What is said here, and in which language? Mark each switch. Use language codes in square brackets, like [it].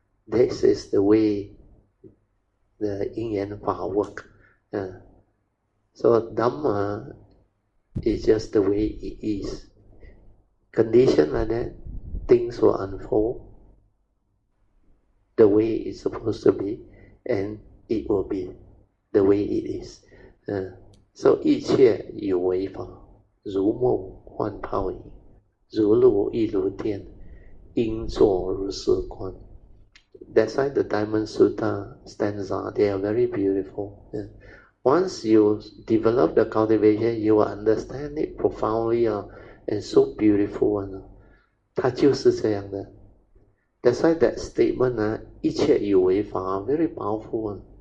[en] This is the way the 因缘法 work，So Dhamma is just the way it is. Condition like that, things will unfold the way it's supposed to be, and it will be the way it is. [zh] So 一切有为法，如梦幻泡影，如露亦如电，应作如是观。 [en] That's why the Diamond Sutta stanza, they are very beautiful. Once you develop the cultivation, you will understand it profoundly, and so beautiful. [zh] 它就是这样的。 [en] That's why that statement, [zh] 一切有为法, [en] very powerful.